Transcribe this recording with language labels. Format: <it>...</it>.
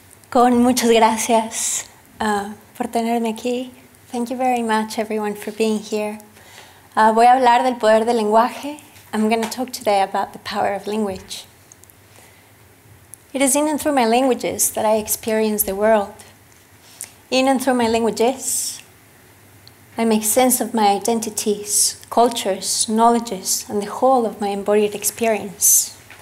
<es>Con muchas gracias por tenerme aquí.</es> <en>Thank you very much, everyone, for being here.</en> <es>Voy a hablar del poder del lenguaje.</es> <en>I'm going to talk today about the power of language. It is in and through my languages that I experience the world. In and through my languages, I make sense of my identities, cultures, knowledges, and the whole of my embodied experience.</en>